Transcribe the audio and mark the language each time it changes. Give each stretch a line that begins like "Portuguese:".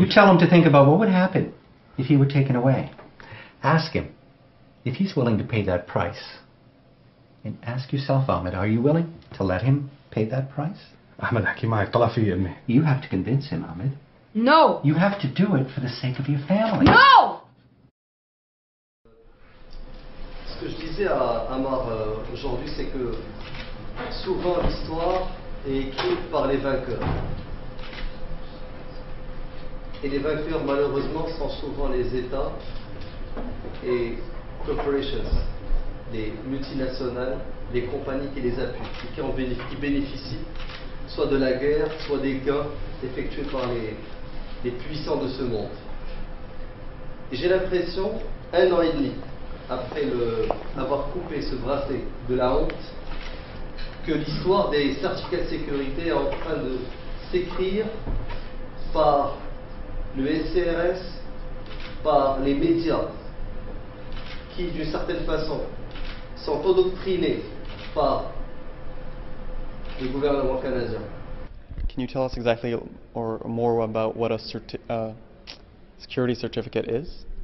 English: You tell him to think about what would happen if he were taken away. Ask him if he's willing to pay that price. And ask yourself, Ahmed, are you willing to let him pay that price? Ahmed, what do you say to me? You have to convince him, Ahmed. No! You have to do it for the sake of your family. No!
French: Ce que je disais à Amar aujourd'hui, c'est que souvent l'histoire est écrite par les vainqueurs. Et les vainqueurs, malheureusement, sont souvent les États et corporations, les multinationales, les compagnies qui les appuient, et qui bénéficient soit de la guerre, soit des gains effectués par les puissants de ce monde. Et j'ai l'impression, un an et demi, après avoir coupé ce bracelet de la honte, que l'histoire des certificats de sécurité est en train de s'écrire par le SCRS, par les médias, qui d'une certaine façon sont endoctrinés par le gouvernement canadien.
English: Can you tell us exactly or more about what a security certificate is?